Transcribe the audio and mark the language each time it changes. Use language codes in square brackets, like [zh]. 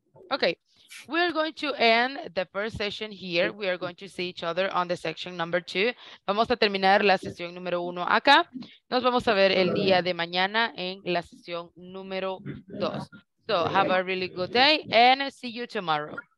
[en] Okay, we are going to end the first session here. We are going to see each other on the section number two. [es] Vamos a terminar la sesión número uno acá. Nos vamos a ver el día de mañana en la sesión número dos. [en] So, have a really good day and see you tomorrow.